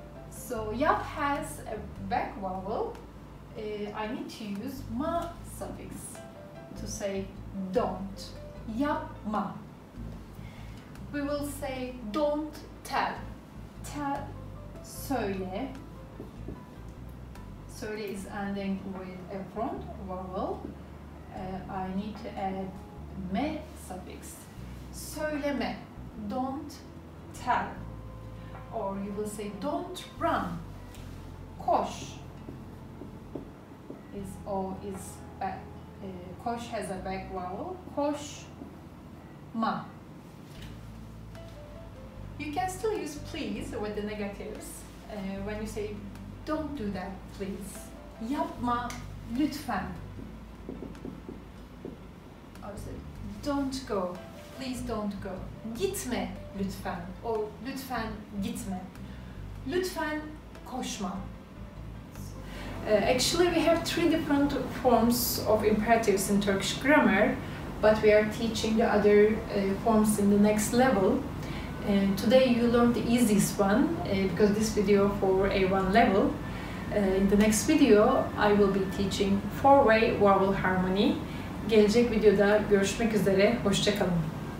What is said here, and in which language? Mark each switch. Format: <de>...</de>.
<en>So yap has a back vowel. I need to use ma suffix to say don't, yapma. We will say don't tell, tell, söyle. Söyle is ending with a front vowel. I need to add me suffix, söyleme. Don't tell. Or you will say don't run. Koş is O is back. Koş has a back vowel. Koş ma. You can still use please with the negatives. When you say don't do that, please.</en> <tr>Yapma lütfen.</tr> <en>Also, don't go. Please don't go.</en> <tr>Gitme lütfen. Or lütfen gitme. Lütfen koşma.</tr> <en>Actually, we have three different forms of imperatives in Turkish grammar, but we are teaching the other forms in the next level. Today you learned the easiest one because this video for A1 level. In the next video, I will be teaching four-way vowel harmony.</en> <tr>Gelecek videoda görüşmek üzere, hoşça kalın.</tr>